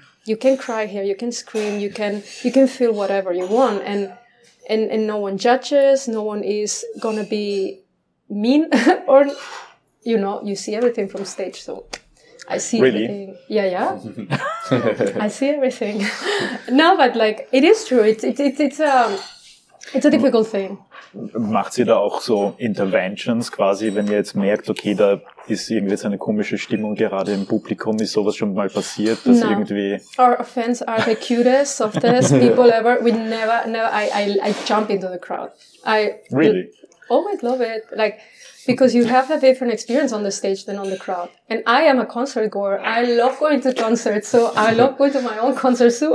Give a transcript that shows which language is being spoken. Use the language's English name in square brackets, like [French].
[English] You can cry here, you can scream, you can feel whatever you want, and no one judges, no one is gonna be mean, or, you know, you see everything from stage, so I see everything. Yeah. I see everything. No, but like, it is true, it's a difficult thing. [German] Macht sie da auch so Interventions quasi, wenn ihr jetzt merkt, okay, da ist irgendwie jetzt eine komische Stimmung gerade im Publikum, ist sowas schon mal passiert, dass irgendwie... [English] Our fans are the cutest, softest people ever. We never, I jump into the crowd. I really always love it. Like, because you have a different experience on the stage than on the crowd. And I am a concert goer. I love going to concerts. So I love going to my own concerts too.